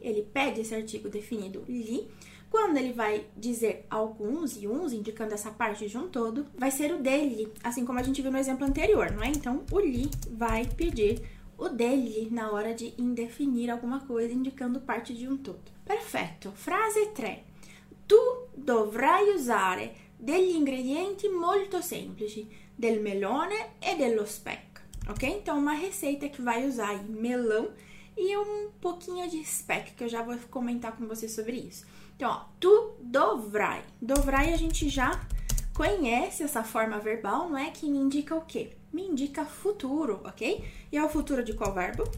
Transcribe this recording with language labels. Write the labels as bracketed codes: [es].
[pt] Ele pede esse artigo definido gli. Quando ele vai dizer alguns e uns, indicando essa parte de um todo, vai ser o degli, assim como a gente viu no exemplo anterior, não é? Então, o gli vai pedir o degli na hora de indefinir alguma coisa, indicando parte de um todo. Perfeito. Frase 3. [it] Tu dovrai usare degli ingredienti molto semplici, del melone e dello speck. Ok? [pt] Então, uma receita que vai usar aí melão e um pouquinho de speck, que eu já vou comentar com você sobre isso. Então, ó, [it] tu dovrai. [pt] Dovrai a gente já conhece essa forma verbal, não é? Que me indica o quê? Me indica futuro, ok? E é o futuro de qual verbo?